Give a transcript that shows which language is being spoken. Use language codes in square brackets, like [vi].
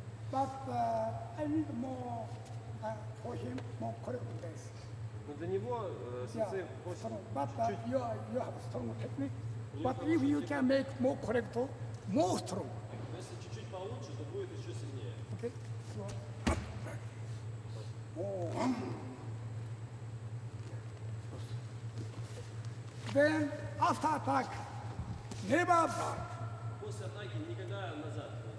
[en] But I need more for him, more correct base. [ru] Но для него сенсей просто. [en] But you have strong technique. But if you can make more correct, more strong. [ru] Если чуть-чуть получше, то будет еще сильнее. [en] Okay. Then after attack, never back. [ru] После атаки никогда назад.